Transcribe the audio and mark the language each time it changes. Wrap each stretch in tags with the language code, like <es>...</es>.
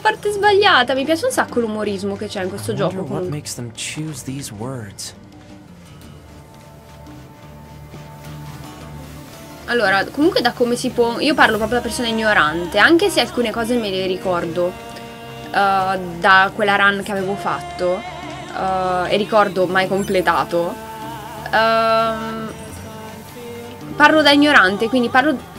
<it>Sbagliata, mi piace un sacco l'umorismo che c'è in questo gioco.</it> <en>What makes them choose these words?</en> <it>Allora, comunque da come si può... Io parlo proprio da persona ignorante, anche se alcune cose me le ricordo da quella run che avevo fatto e ricordo mai completato. Parlo da ignorante, quindi parlo...</it>